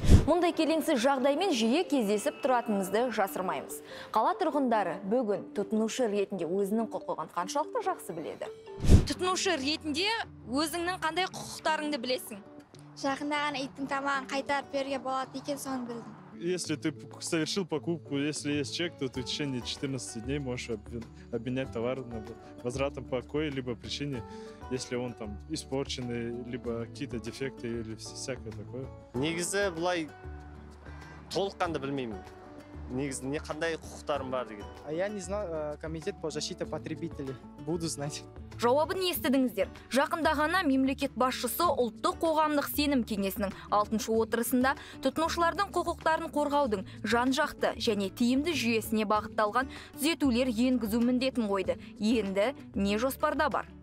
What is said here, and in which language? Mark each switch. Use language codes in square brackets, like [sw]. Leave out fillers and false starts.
[kk] Мұндай келеңсіз жағдаймен жиі кездесіп тұратынымызды жасырмаймыз. Қала тұрғындары бүгін тұтынушы ретінде өзінің құқығын қаншалықты жақсы біледі? Тұтынушы ретінде өзіңнің қандай құқықтарыңды білесің? Жақындаған иттің тамағын қайтарып беруге болады екен, соны білдім. [ru] Если ты совершил покупку, если есть чек, то ты в течение 14 дней можешь обменять товар на возвратом покое, либо причине, если он там испорченный, либо какие-то дефекты или всякое такое. [kk] Негізі былай толыққанды білмеймін. Негізі не қандай құқықтарым бар деген. [ru] А я не знаю, комитет по защите потребителей. Буду знать. [kk] Жауабын естідіңіздер. Жақында ғана мемлекет басшысы ұлттық қоғамдық сенім кеңесінің 6-шы отырысында тұтынушылардың құқықтарын қорғаудың жан-жақты және тиімді жүйесіне бағытталған түзетулер енгізу міндетін қойды. Енді не жоспарда бар?